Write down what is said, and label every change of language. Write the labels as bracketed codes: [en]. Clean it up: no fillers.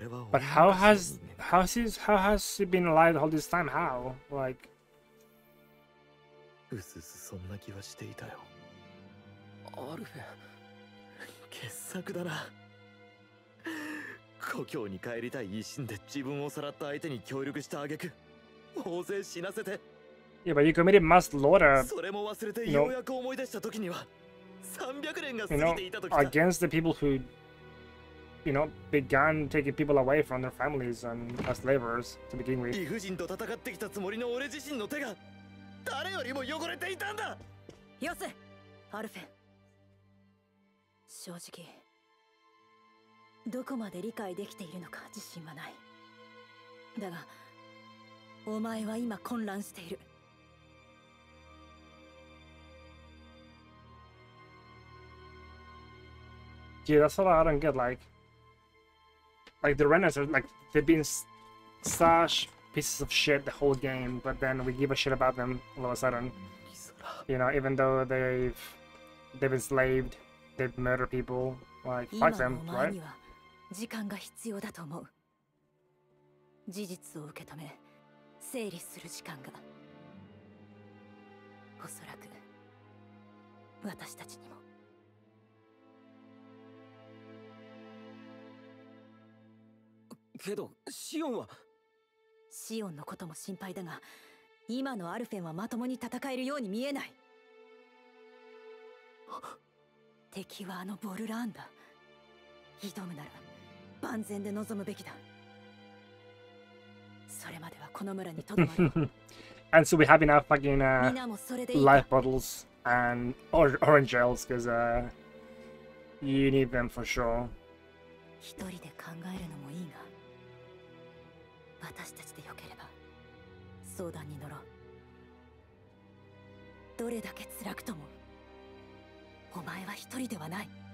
[en] But how has she been alive all this time? How, like? [ja] うすうすそんな気はしていたよ。アルフェン、傑作だな。故郷に帰りたい一心で自分をさらった相手に協力した挙句。大勢死なせて。 [en] Yeah, but you committed mass slaughter. [ja] それも忘れて、ようやく思い出した時には、300年が過ぎていた時だ。 [en] Against the people who, you know, began taking people away from their families and as laborers to begin with. [ja] 理不尽と戦ってきたつもりの俺自身の手が誰よりも汚れていたんだ。よせ、アルフェン。正直、どこまで理解できているのか自信はない。だが。お前は今混乱している。 [en] Yeah, that's all I don't get. Like the Renners are like they've been such pieces of shit the whole game, but then we give a shit about them all of a sudden. You know, even though they've enslaved, they've murdered people, like fuck them, right? [ja] 今お前には時間が必要だと思う。事実を受け止め。整理する時間が、おそらく私たちにも。けどシオンは、シオンのことも心配だが、今のアルフェンはまともに戦えるように見えない。敵はあのボルランだ。挑むなら万全で臨むべきだ。それまではこの村にとどま [en] る。And so we have enough fucking life bottles and orange gels because you need them for sure. [ja] 一人で考えるのもいいが、私たちでよければ相談に乗ろう。どれだけ辛くとも、お前は一人ではない。